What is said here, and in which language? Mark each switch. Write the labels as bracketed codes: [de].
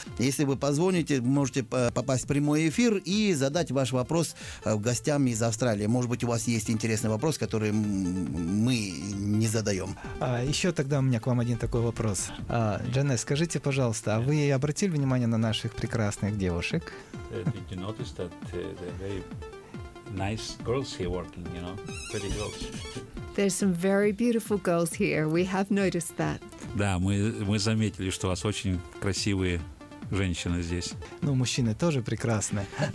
[ru] Если вы позвоните, можете попасть в прямой эфир и задать ваш вопрос гостям из Австралии. Может быть, у вас есть интересный вопрос, который мы не задаем. А еще тогда у меня к вам один такой вопрос. Джанет, скажите, пожалуйста, а вы обратили внимание на наших прекрасных девушек? [en] Did you notice that they're very nice girls here working, you know, pretty girls? There's some very beautiful girls here. We have noticed that. [ru] Да, мы заметили, что у вас очень красивые женщины здесь. Ну, мужчины тоже прекрасны.